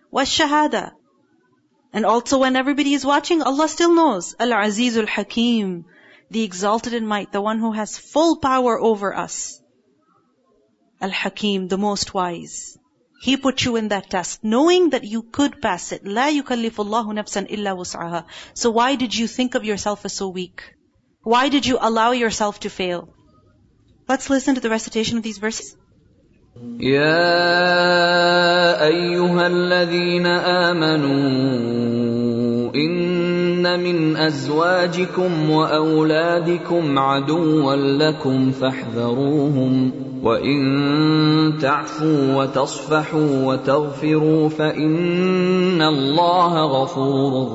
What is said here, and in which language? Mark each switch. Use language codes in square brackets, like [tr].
[en] وَالشَّهَادَةِ And also when everybody is watching, Allah still knows. Al-Aziz al-Hakim, the exalted in might, the one who has full power over us. Al-Hakim, the most wise. He put you in that test, knowing that you could pass it. [ar] لا يكلف الله نفسا إلا وسعها. [en] So why did you think of yourself as so weak? Why did you allow yourself to fail? Let's listen to the recitation of these verses. [ar] يا أيها الذين آمنوا إن من أزواجكم وأولادكم عدوا لكم فاحذروهم وإن تعفوا وتصفحوا وتغفروا فإن الله غفور